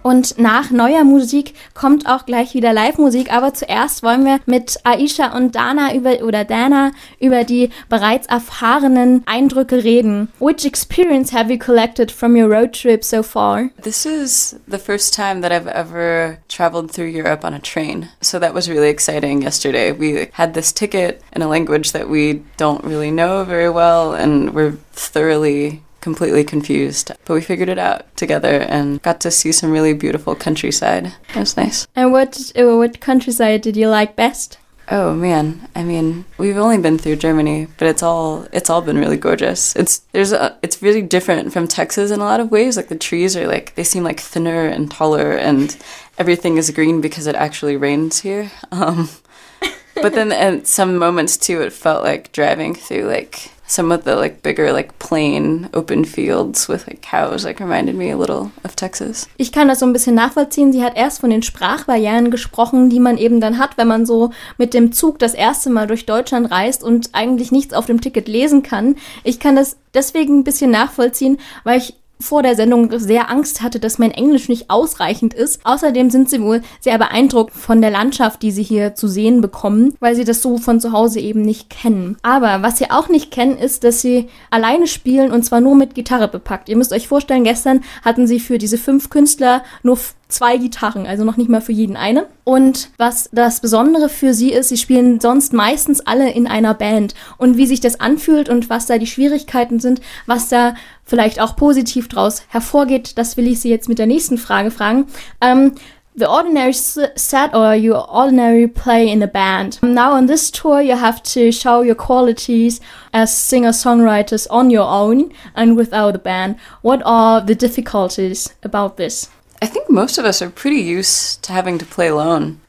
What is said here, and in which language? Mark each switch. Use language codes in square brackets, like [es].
[de] Und nach neuer Musik kommt auch gleich wieder Live-Musik. Aber zuerst wollen wir mit Aisha und Dana über die bereits erfahrenen Eindrücke reden. [en] Which experience have you collected from your road trip so far? This is the first time that I've ever traveled through Europe on a train. So that was really exciting yesterday. We had this ticket in a language that we don't really know very well, and we're thoroughly completely confused, but we figured it out together and got to see some really beautiful countryside. It was nice. And what countryside did you like best? Oh man, I mean, we've only been through Germany, but it's all been really gorgeous. It's really different from Texas in a lot of ways. Like the trees are like, they seem like thinner and taller, and everything is green because it actually rains here. But then at some moments too, it felt like driving through like some of the like bigger like plain open fields with like cows like reminded me a little of Texas. [de] Ich kann das so ein bisschen nachvollziehen. Sie hat erst von den Sprachbarrieren gesprochen, die man eben dann hat, wenn man so mit dem Zug das erste Mal durch Deutschland reist und eigentlich nichts auf dem Ticket lesen kann. Ich kann das deswegen ein bisschen nachvollziehen, weil ich vor der Sendung sehr Angst hatte, dass mein Englisch nicht ausreichend ist. Außerdem sind sie wohl sehr beeindruckt von der Landschaft, die sie hier zu sehen bekommen, weil sie das so von zu Hause eben nicht kennen. Aber was sie auch nicht kennen, ist, dass sie alleine spielen und zwar nur mit Gitarre bepackt. Ihr müsst euch vorstellen, gestern hatten sie für diese 5 Künstler nur 2 Gitarren, also noch nicht mal für jeden eine. Und was das Besondere für sie ist, sie spielen sonst meistens alle in einer Band. Und wie sich das anfühlt und was da die Schwierigkeiten sind, was da vielleicht auch positiv draus hervorgeht, das will ich sie jetzt mit der nächsten Frage fragen. [en] The ordinary set or you ordinary play in a band. Now on this tour you have to show your qualities as singer-songwriters on your own and without a band. What are the difficulties about this? I think most of us are pretty used to having to play alone.